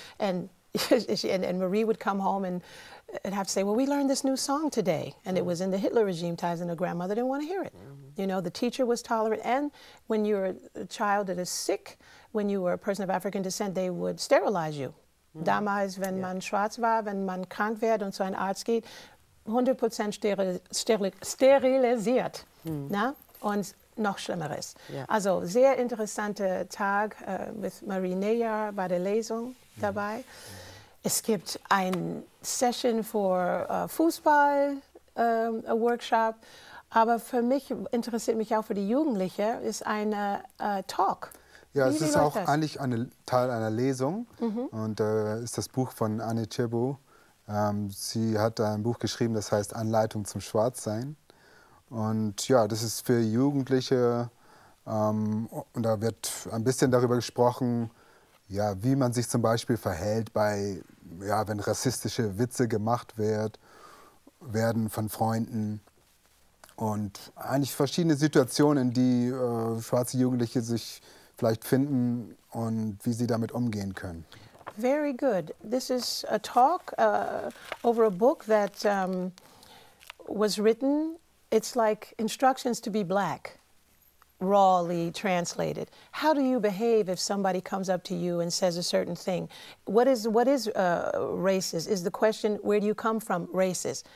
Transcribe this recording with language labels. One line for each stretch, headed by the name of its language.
English: And Marie would come home and have to say, well, we learned this new song today. And it was in the Hitler regime times, and her grandmother didn't want to hear it. You know, the teacher was tolerant. And when you're a child that is sick, when you were a person of African descent, they would sterilize you.
German: Damals, wenn man schwarz war, wenn man krank wird und so ein Arzt geht, 100% sterilisiert. Und noch Schlimmeres. Yeah. Also, sehr interessanter Tag mit Marie Neyar bei der Lesung dabei. Es gibt ein Session für Fußball, a Workshop. Aber für mich interessiert mich auch für die Jugendlichen, ist eine Talk. Ja, wie es ist auch das? Eigentlich eine, Teil einer Lesung. Und ist das Buch von Anne Chebo. Sie hat ein Buch geschrieben, das heißt Anleitung zum Schwarzsein. Und ja, das ist für Jugendliche. Und da wird ein bisschen darüber gesprochen, ja, wie man sich zum Beispiel verhält, bei, ja, wenn rassistische Witze gemacht werden von Freunden. Und eigentlich verschiedene Situationen, in die schwarze Jugendliche sich vielleicht finden und wie sie damit umgehen können.
English: Very good. This is a talk over a book that was written. It's like instructions to be black, rawly translated. How do you behave if somebody comes up to you and says a certain thing? What is racist? Is the question, where do you come from, racist?